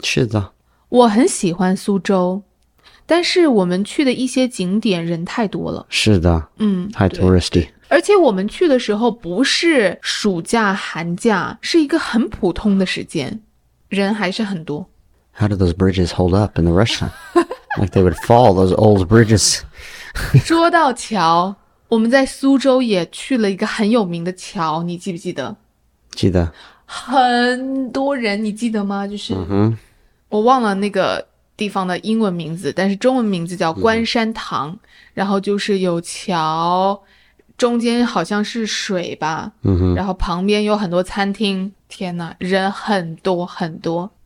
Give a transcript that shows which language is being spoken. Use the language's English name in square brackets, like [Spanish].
[Chinese] 是的。我很喜欢苏州，但是我们去的一些景点人太多了。是的，嗯，太 touristy。而且我们去的时候不是暑假寒假，是一个很普通的时间，人还是很多。 [English] How do those bridges hold up in the rush time? Like they would fall, those old bridges. [Chinese] 说到桥，我们在苏州也去了一个很有名的桥，你记不记得？记得。很多人，你记得吗？就是，我忘了那个地方的英文名字，但是中文名字叫关山堂，然后就是有桥，中间好像是水吧，然后旁边有很多餐厅，天哪，人很多很多。